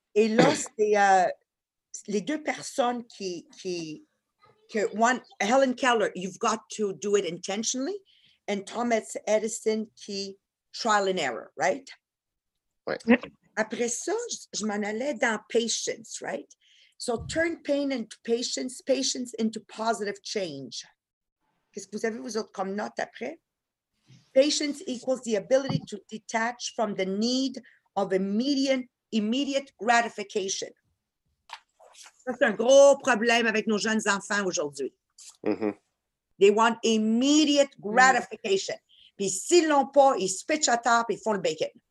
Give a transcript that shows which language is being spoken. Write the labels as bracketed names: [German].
[French] Et là, c'est les deux personnes qui [English] one, Helen Keller, you've got to do it intentionally, and Thomas Edison [French] qui [English] trial and error, right? Oui. [French] Après ça, je m'en allais dans [English] patience, right? So turn pain into patience, patience into positive change. [French] Qu'est-ce que vous avez vous autres comme note après? [English] Patience equals the ability to detach from the need of immediate gratification. [French] Ça, c'est un gros problème avec nos jeunes enfants aujourd'hui. Mm-hmm. [English] They want immediate gratification. Mm-hmm. [French] Puis s'ils l'ont pas, ils switchent à terre et ils font le bacon.